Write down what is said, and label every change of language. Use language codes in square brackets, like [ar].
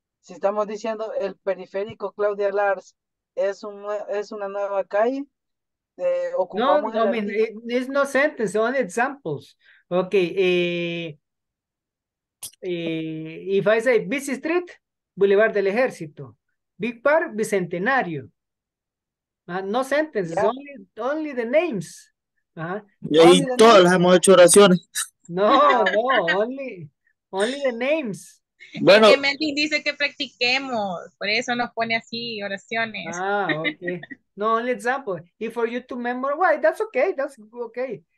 [es] Si estamos diciendo el periférico Claudia Lars es una nueva calle. [en] No, no, I mean, it's no sentence, only examples. Okay. If I say Busy Street, Boulevard del Ejército. Big Park, Bicentenario. No sentence, yeah. only the names. [es] Y ahí todas las hemos hecho oraciones. [en] No, no, only the names. [es] Bueno. Es que Mendy dice que practiquemos, por eso nos pone así oraciones. [en] Ah, ok. No, only example. If for you to memorize, well, that's okay, that's okay.